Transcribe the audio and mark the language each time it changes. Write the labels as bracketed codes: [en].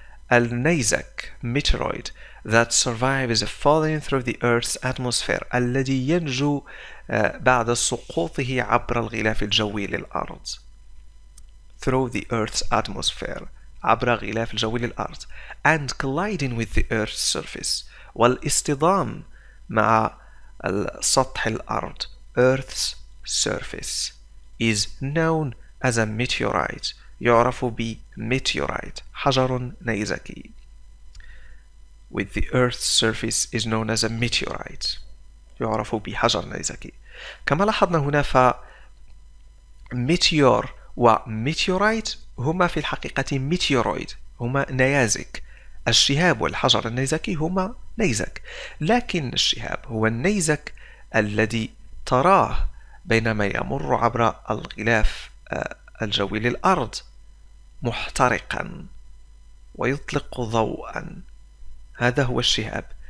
[en] النيزك, meteoroid, that survives falling through the Earth's atmosphere, [ar] الذي ينجو بعد سقوطه عبر الغلاف الجوي للأرض, [en] through the Earth's atmosphere, [ar] عبر غلاف الجوي للأرض, [en] and colliding with the Earth's surface, [ar] والاصطدام مع السطح الأرض, [en] Earth's surface is known as a meteorite. [ar] يعرف بميتيورايت, حجر نيزكي. [en] With the Earth's surface is known as a meteorite. [ar] يعرف بحجر نيزكي. كما لاحظنا هنا فميتيور وميتيورايت هما في الحقيقة ميتيورويد, هما نيازك. الشهاب والحجر النيزكي هما نيزك, لكن الشهاب هو النيزك الذي تراه بينما يمر عبر الغلاف الجوي للأرض محترقا ويطلق ضوءا, هذا هو الشهاب.